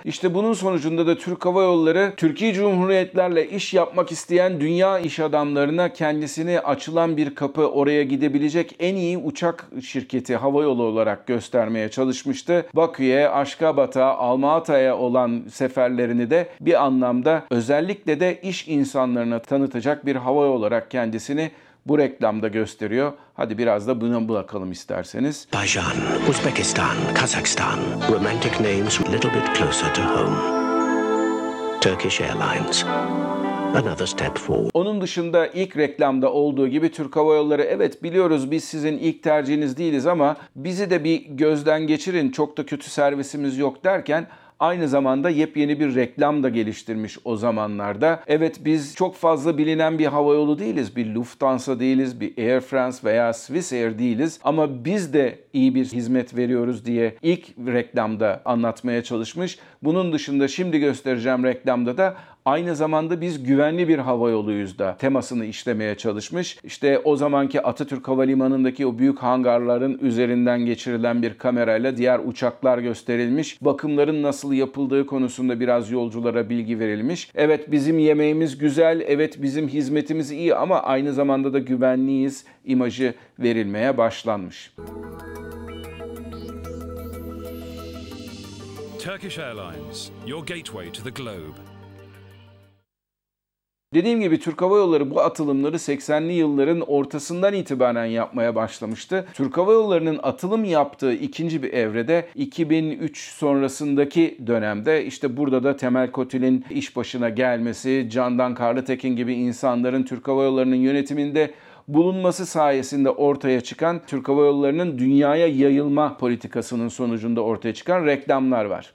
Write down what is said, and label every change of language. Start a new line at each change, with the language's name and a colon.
Turkish: İşte bunun sonucunda da Türk Hava Yolları Türkiye Cumhuriyetlerle iş yapmak isteyen dünya iş adamlarına kendisini açılan bir kapı, oraya gidebilecek en iyi uçak şirketi, havayolu olarak göstermeye çalışmıştı. Bakü'ye, Aşgabat'a, Almata'ya olan seferlerini de bir anlamda özellikle de iş insanlarına tanıtacak bir havayolu olarak kendisini bu reklamda gösteriyor. Hadi biraz da buna bakalım isterseniz.
English: Bajan, Uzbekistan, Kazakistan. Romantic names a little bit closer to home. Turkish Airlines. Another step forward.
Turkish: Onun dışında ilk reklamda olduğu gibi Türk Hava Yolları, evet biliyoruz biz sizin ilk tercihiniz değiliz ama bizi de bir gözden geçirin, çok da kötü servisimiz yok derken aynı zamanda yepyeni bir reklam da geliştirmiş o zamanlarda. Evet biz çok fazla bilinen bir havayolu değiliz. Bir Lufthansa değiliz, bir Air France veya Swiss Air değiliz. Ama biz de iyi bir hizmet veriyoruz diye ilk reklamda anlatmaya çalışmış. Bunun dışında şimdi göstereceğim reklamda da aynı zamanda biz güvenli bir havayoluyuz da temasını işlemeye çalışmış. İşte o zamanki Atatürk Havalimanı'ndaki o büyük hangarların üzerinden geçirilen bir kamerayla diğer uçaklar gösterilmiş. Bakımların nasıl yapıldığı konusunda biraz yolculara bilgi verilmiş. Evet bizim yemeğimiz güzel, evet bizim hizmetimiz iyi ama aynı zamanda da güvenliyiz imajı verilmeye başlanmış.
English: Turkish Airlines, your gateway to the globe.
Turkish: Dediğim gibi Türk Hava Yolları bu atılımları 80'li yılların ortasından itibaren yapmaya başlamıştı. Türk Hava Yolları'nın atılım yaptığı ikinci bir evrede 2003 sonrasındaki dönemde işte burada da Temel Kotil'in iş başına gelmesi, Candan Karlıtekin gibi insanların Türk Hava Yolları'nın yönetiminde bulunması sayesinde ortaya çıkan Türk Hava Yolları'nın dünyaya yayılma politikasının sonucunda ortaya çıkan reklamlar var.